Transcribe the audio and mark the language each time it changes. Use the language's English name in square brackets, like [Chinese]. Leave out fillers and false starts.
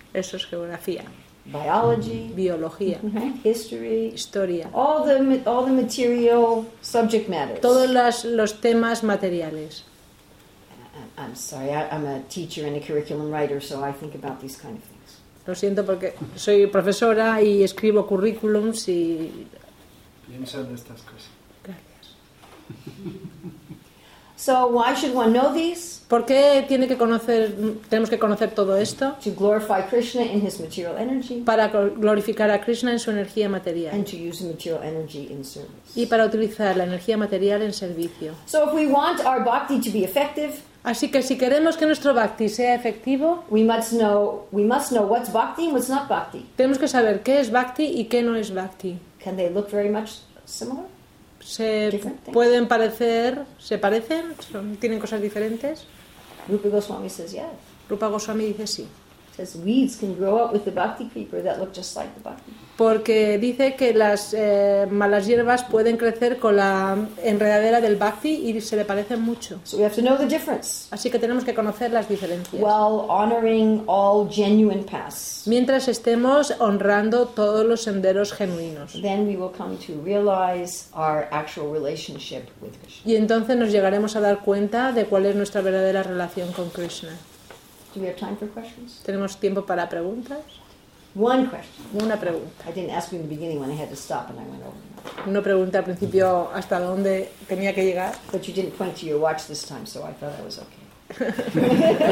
[Spanish] eso es geografía. [English] Biology, [Spanish] biología. [English] History, all the material subject matters, [Spanish] todos los temas materiales. [English] I'm sorry, I'm a teacher and a curriculum writer, so I think about these kind of things. [Spanish] Lo siento porque soy profesora y escribo currículums y pienso en estas cosas. Gracias. [English] So why should one know these? [Spanish] ¿Por qué tiene que conocer, tenemos que conocer todo esto? [English] To glorify Krishna in his material energy. [Spanish] Para glorificar a Krishna en su energía material. [English] And to use the material energy in service. [Spanish] Y para utilizar la energía material en servicio. [English] So if we want our bhakti to be effective, [Spanish] así que si queremos que nuestro bhakti sea efectivo, [English] we must know what's bhakti and what's not bhakti. [Spanish] Tenemos que saber qué es bhakti y qué no es bhakti. [English] Can they look very much similar? [Spanish] Se pueden parecer, se parecen, tienen cosas diferentes. [English] Rupa Goswami says yes. [Spanish] Rupa Goswami dice sí. [English] Says weeds can grow up with the bhakti creeper that look just like the bhakti. [Spanish] Porque dice que las malas hierbas pueden crecer con la enredadera del bhakti y se le parecen mucho. [English] So we have to know the difference. [Spanish] Así que tenemos que conocer las diferencias. [English] While honoring all genuine paths. [Spanish] Mientras estemos honrando todos los senderos genuinos. [English] Then we will come to realize our actual relationship with Krishna. [Spanish] Y entonces nos llegaremos a dar cuenta de cuál es nuestra verdadera relación con Krishna. [English] Do we have time for questions? [Spanish] ¿Tenemos tiempo para preguntas? [English] One question. [Spanish] Una pregunta. [English] I didn't ask you in the beginning when I had to stop and I went over. [Spanish] No pregunté al principio hasta dónde tenía que llegar. [English] But you didn't point to your watch this time, so I thought I was okay.